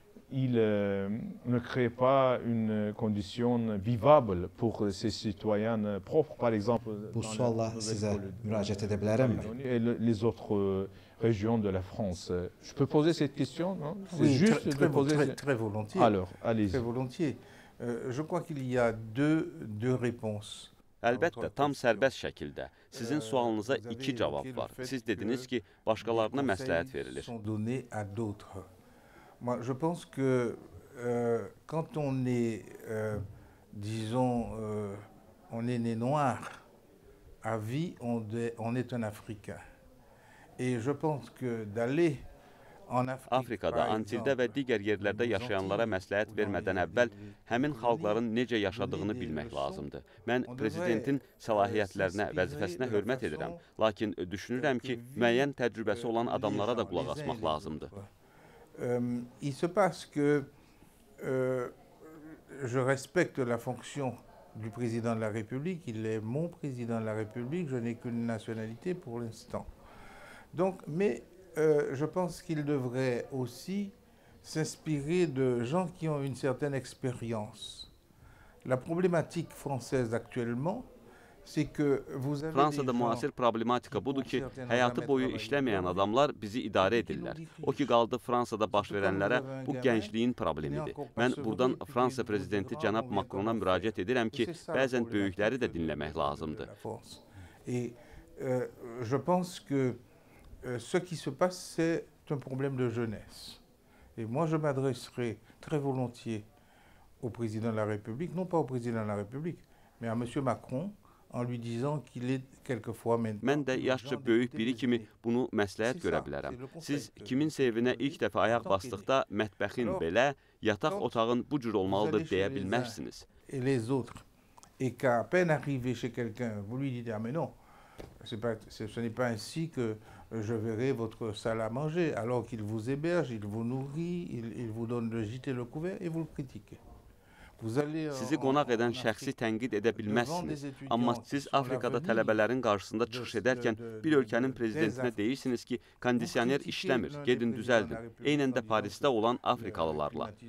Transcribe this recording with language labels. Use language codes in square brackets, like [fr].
[fr] Il ne crée pas une condition vivable pour ses citoyens propres, par exemple. [az] Bu sualla sizə müraciət edə bilərəmmi? [fr] Les autres régions de la France. Je peux poser cette question, non? C'est oui, juste de poser. Très volontiers. Alors, allez-y. Très volontiers. Je crois qu'il y a deux réponses. [az] Əlbəttə, tam sərbəst şəkildə. Sizin sualınıza iki cavab var. Siz dediniz ki, başqalarına məsləhət verilir. [fr] Moi, je pense que quand on est disons on est né noir à vie, on est un africain. Et je pense que d'aller [az] Afrikada, Antildə və digər yerlərdə yaşayanlara məsləhət vermədən əvvəl həmin xalqların necə yaşadığını bilmək lazımdır. Mən prezidentin səlahiyyətlərinə, vəzifəsinə hörmət edirəm, lakin düşünürəm ki, müəyyən təcrübəsi olan adamlara da qulaq asmaq lazımdır. [fr] Il se passe que je respecte la fonction du président de la République, il est mon président de la République, je n'ai qu'une nationalité pour l'instant. Donc mais je pense qu'il devrait aussi s'inspirer de gens qui ont une certaine expérience. La problématique française actuellement, c'est que vous avez [az] Fransa'da müasir problematika budur ki, həyatı boyu işləməyən adamlar bizi idarə edirlər. O ki qaldı Fransa'da baş verənlərə bu gəncliyin problemidir. Mən buradan Fransa prezidenti cənab Macron'a müraciət edirəm ki, bəzən böyükləri də dinləmək lazımdır. [fr] Je pense que ce qui se passe, c'est un problème de jeunesse. Et moi, je m'adresserai très volontiers au président de la République, non pas au président de la République, mais à Monsieur Macron, en lui disant qu'il est quelquefois maintenant. [az] Mən də yaşca böyük biri kimi bunu məsləhət görə bilərəm. Siz kiminsə evinə ilk dəfə ayaq bastıqda mətbəxin belə, yataq otağın bu cür olmalıdır deyə bilməzsiniz. [fr] Et les autres, et qu'à peine arrivé chez quelqu'un, vous lui dites, ah mais non, ce n'est pas ainsi que je verrai votre salle à manger, alors qu'il vous héberge, il vous nourrit, il vous donne le gîte et le couvert, et vous le critiquez. [az] Sizi qonaq edən şəxsi tənqid edə bilməzsiniz. Amma siz Afrikada tələbələrin qarşısında çıxış edərkən bir ölkənin prezidentinə deyirsiniz ki, kondisioner işləmir, gedin düzəldin. Eynən də Parisdə olan Afrikalılarla.